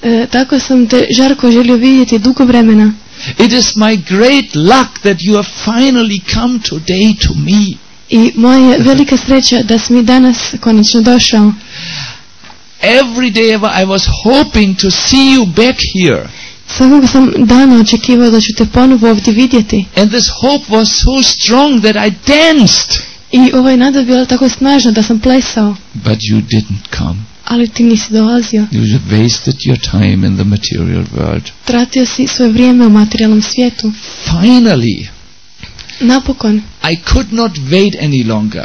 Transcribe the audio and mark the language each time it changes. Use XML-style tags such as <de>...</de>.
<hr>Tako sam te žarko želio vidjeti dugo vremena.</hr> <en>It is my great luck that you have finally come today to me.</en> <hr>I moja je velika sreća da si mi danas konačno došao.</hr> <en>Every day I was hoping to see you back here.</en> <hr>Svakog sam dana očekivao da ću te ponovo ovdje vidjeti.</hr> <en>And this hope was so strong that I danced.</en> <hr>I ova je nada bila tako snažna da sam plesao.</hr> <en>But you didn't come.</en> <hr>Ali ti nisi dolazio.</hr> <en>You wasted your time in the material world.</en> <hr>Tratio si svoje vrijeme u materijalnom svijetu.</hr> <en>Finally.</en> <hr>Napokon.</hr> <en>I could not wait any longer.</en>